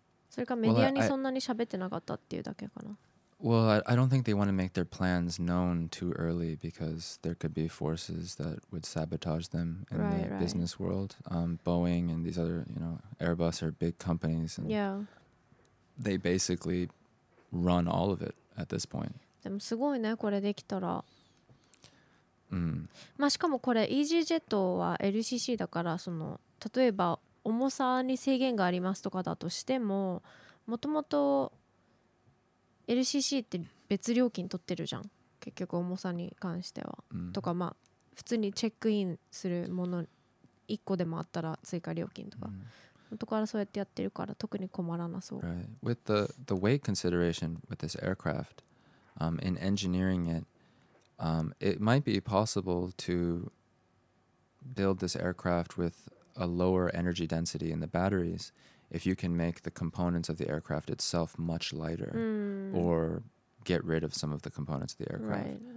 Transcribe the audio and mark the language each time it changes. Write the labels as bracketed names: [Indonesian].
[Japanese] それかメディアにそんなに喋ってなかったっていうだけかな。 [English] Well, I don't think they want to make their plans known too early because there could be forces that would sabotage them in the business world. Boeing and these other, you know, Airbus are big companies. And they basically run all of it at this point. [Japanese] でもすごいね、これできたら。まあしかもこれ EasyJet は LCC だから、その例えば重さに制限がありますとかだとしても、もともとLCC って別料金取ってるじゃん。結局重さに関しては、とかまあ普通にチェックインするもの一個でもあったら追加料金とか、元からそうやってやってるから特に困らなそう。 [English] Right. With the weight consideration with this aircraft, in engineering it, it might be possible to build this aircraft with a lower energy density in the batteries. If you can make the components of the aircraft itself much lighter, or get rid of some of the components of the aircraft,